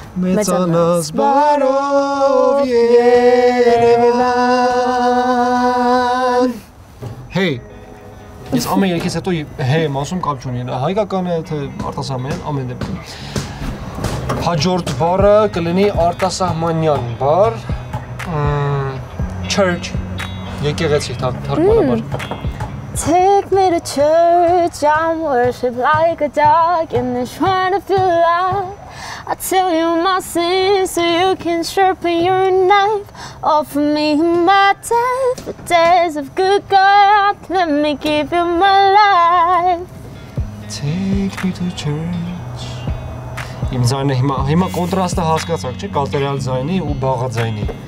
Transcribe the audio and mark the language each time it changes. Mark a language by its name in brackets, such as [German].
[Armenian] մեծանաս բարով Երևան։ Հեյ։ Ես ամեն երկես հետո հեյ եմ ասում, կապ չունի, հայկական է, թե արտասահմանյան, ամեն դեպքում։ Հաջորդ բառը կլինի արտասահմանյան բառ։ Չըրջ, եկեղեցի, թարգմանաբար։ [English] Take me to church, I'm worship like a dog in the shrine of your love. I tell you my sins so you can sharpen your knife. Offer me my death, the days of good God. Let me give you my life. Take me to church. [Armenian] Իմ ձայնը հիմա կոնտրաստը հասկացաք, չէ՞, կալտերյալ ձայնի ու բաղա ձայնի.